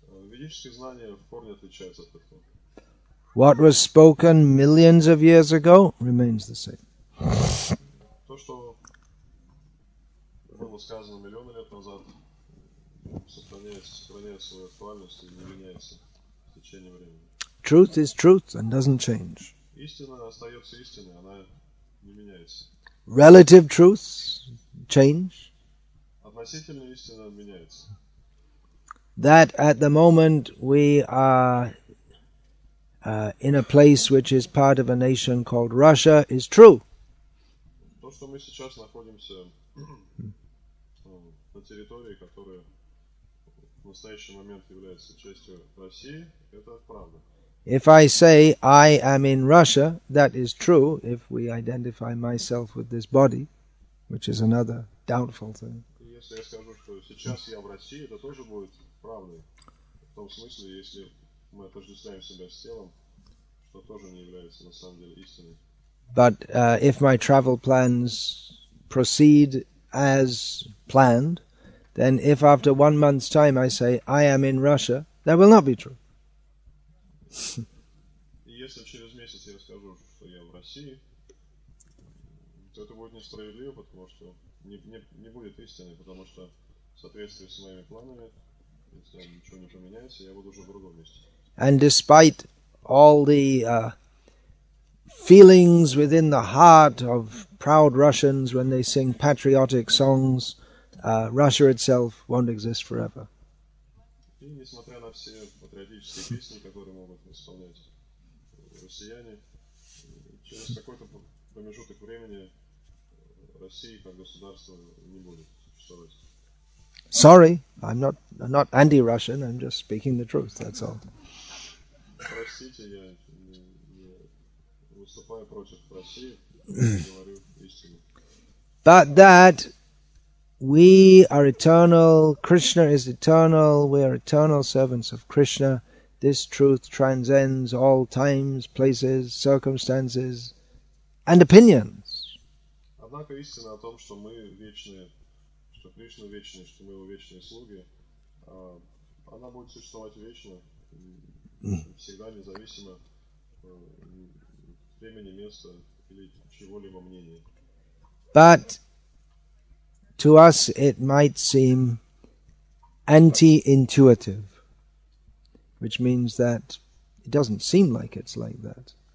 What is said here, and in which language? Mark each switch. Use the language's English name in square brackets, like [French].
[Russian] Ведические знания вполне отличаются от этого. [English] What was spoken millions of years ago remains the same. [Russian] То, что было сказано миллионы лет назад, сохраняет свою актуальность и не меняется в течение времени. [English] Truth is truth and doesn't change. [Russian] Истина остается истиной, она не меняется. [English] Relative truths change. [Russian] Относительная истина меняется. [English] That at the moment we are in a place which is part of a nation called Russia is true. [Russian] То, что мы сейчас находимся на территории, которая в настоящий момент является частью России, это правда. [English] If I say I am in Russia, that is true, if we identify myself with this body, which is another doubtful thing. [Russian] Если я скажу, что сейчас я в России, это тоже будет правдой. В том смысле, если мы отождествляем себя с телом, что тоже не является на самом деле истиной. [English] But if my travel plans proceed as planned, then if after 1 month's time I say I am in Russia, that will not be true. [Russian] Если через месяц я скажу, что я в России, то это будет несправедливо, потому что не будет истины, потому что в соответствии с моими планами, если ничего не поменяется, я буду уже в другом месте. [English] And despite all the feelings within the heart of proud Russians when they sing patriotic songs, Russia itself won't exist forever. [Russian] И несмотря на все патриотические песни, которые могут исполнять россияне, через какой-то промежуток времени России как государства не будет существовать. [English] Sorry, I'm not anti-Russian, I'm just speaking the truth, that's all. [Russian] Простите, я не выступаю против России, я говорю истину. [English] But that we are eternal, Krishna is eternal, we are eternal servants of Krishna. This truth transcends all times, places, circumstances, and opinions. [Russian] Однако истина о том, что мы вечные, что Кришна вечный, что мы его вечные слуги, она будет существовать вечно, всегда независимо от времени, места или чего-либо мнения. [English] But to us it might seem anti-intuitive, which means that it doesn't seem like it's like that.